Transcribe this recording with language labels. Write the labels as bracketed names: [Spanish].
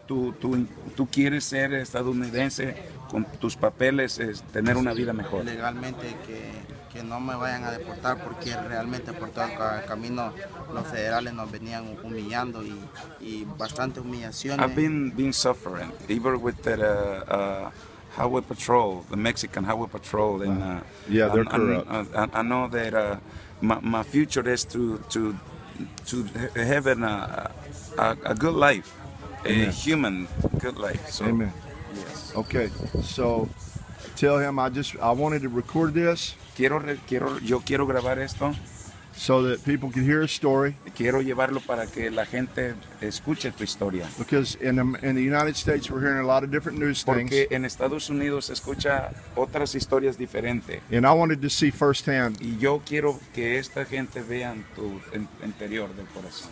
[Spanish] Tú quieres ser estadounidense con tus papeles es tener una vida mejor. Legalmente que no me vayan a deportar porque realmente por todo el camino los federales nos venían humillando y bastante humillaciones. [English] I've been suffering, even with that highway patrol, the Mexican highway patrol. And, yeah, they're corrupt. I know that my future is to have a good life, amen. A human good life. So, amen. Yes. Okay, so tell him I wanted to record this. [Spanish] Yo quiero grabar esto. [English] So that people can hear his story. [Spanish] Quiero llevarlo para que la gente escuche tu historia. [English] Because in the United States we're hearing a lot of different news [Spanish] Porque [English] things. [Spanish] Porque en Estados Unidos se escucha otras historias diferentes. [English] And I wanted to see firsthand. [Spanish] Y yo quiero que esta gente vean tu interior del corazón.